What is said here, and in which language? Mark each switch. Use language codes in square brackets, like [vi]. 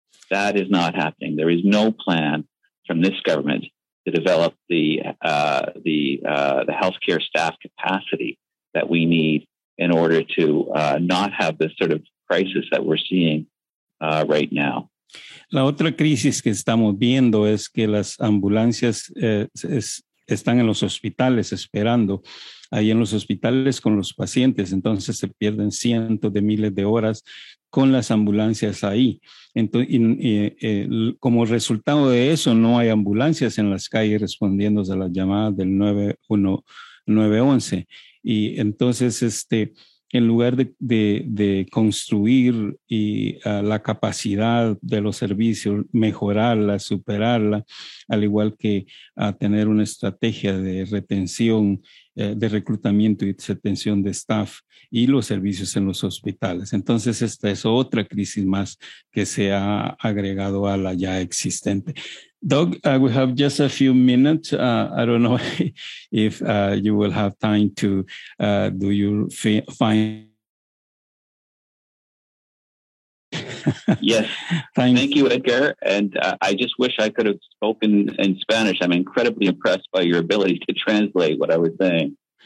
[en] That is not happening. There is no plan from this government to develop the healthcare staff capacity that we need in order to not have this sort of crisis that we're seeing right now. [es] La otra crisis que estamos viendo es que las ambulancias están en los hospitales esperando ahí en los hospitales con los pacientes. Entonces se pierden cientos de miles de horas con las ambulancias ahí. Entonces, como resultado de eso, no hay ambulancias en las calles respondiendo a las llamadas del 911. Y entonces, en lugar de construir y la capacidad de los servicios, mejorarla, superarla, al igual que tener una estrategia de retención, de reclutamiento y retención de staff y los servicios en los hospitales. Entonces, esta es otra crisis más que se ha agregado a la ya existente. [en] Doug, we have just a few minutes. I don't know if you will have time to do your find. Yes. Thank you, Edgar. And I just wish I could have spoken in Spanish. I'm incredibly impressed by your ability to translate what I was saying.